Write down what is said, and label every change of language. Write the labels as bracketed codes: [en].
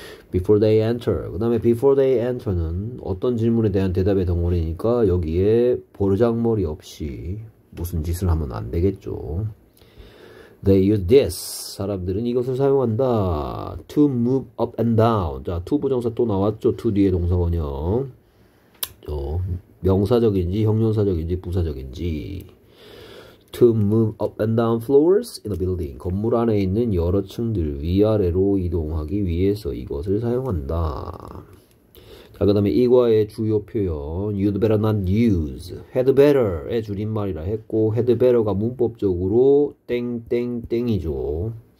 [en] Before they enter. [ko] 그 다음에 before they enter는 어떤 질문에 대한 대답의 덩어리니까 여기에 버르장머리 없이 무슨 짓을 하면 안 되겠죠. [en] They use this. [ko] 사람들은 이것을 사용한다. [en] To move up and down. [ko] 자, to 부정사 또 나왔죠. to 뒤에 동사원형. 명사적인지, 형용사적인지, 부사적인지. [en] To move up and down floors in a building. [ko] 건물 안에 있는 여러 층들 위아래로 이동하기 위해서 이것을 사용한다. 자, 그 다음에 이과의 주요 표현. [en] You'd better not use. Had better의 줄임말이라 했고, Had better가 [ko] 문법적으로 땡땡땡이죠.